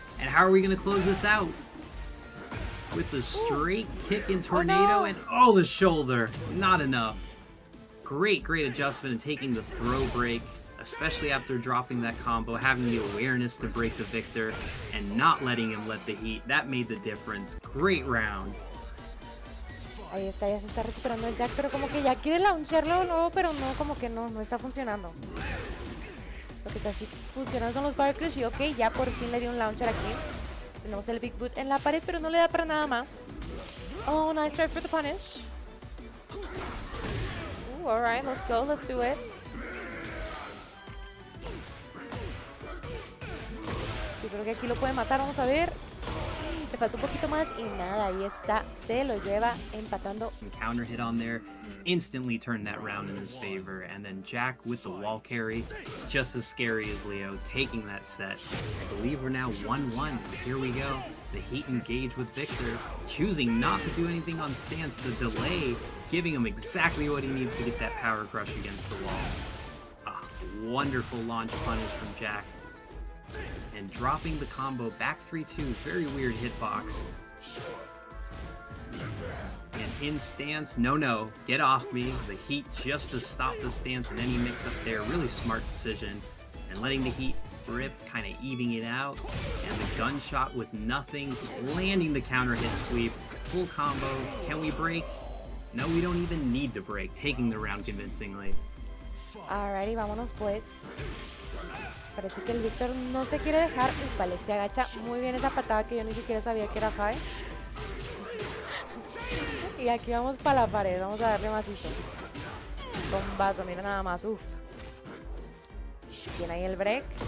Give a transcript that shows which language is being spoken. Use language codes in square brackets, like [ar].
[en] And how are we gonna close this out? With the straight kick and tornado, oh, no. And oh, the shoulder, not enough. Great, great adjustment in taking the throw break, especially after dropping that combo, having the awareness to break the victor and not letting him let the heat. That made the difference. Great round. [es] Ahí está, ya se está recuperando el jack, pero como que ya quiere launcharlo luego, pero no, como que no, no está funcionando. Lo que casi funcionan son los bar crush y ok, ya por fin le dio un launcher aquí. Tenemos el big boot en la pared, pero no le da para nada más. [en] Oh, nice try for the punish. Ooh, all right, let's go, let's do it. [es] Yo creo que aquí lo puede matar, vamos a ver. Le falta un poquito más y nada, ahí está. Se lo lleva empatando. [en] Counter hit on there, instantly turned that round in his favor. And then Jack with the wall carry. It's just as scary as Leo taking that set. I believe we're now 1-1. Here we go. The heat engage with Victor, choosing not to do anything on stance. The delay giving him exactly what he needs to get that power crush against the wall. Ah, wonderful launch punish from Jack. And dropping the combo back 3-2, very weird hitbox. And in stance, no, get off me. The heat just to stop the stance and any mix up there. Really smart decision. And letting the heat rip, kind of evening it out. And the gunshot with nothing, landing the counter hit sweep. Full combo, can we break? No, we don't even need to break, taking the round convincingly. Alrighty, [es] vámonos pues. Parece que el Victor no se quiere dejar. Vale, se agacha muy bien esa patada que yo ni siquiera sabía que era high. Y aquí vamos para la pared. Vamos a darle macizo. Bombazo, mira nada más. Uf. Tiene ahí el break.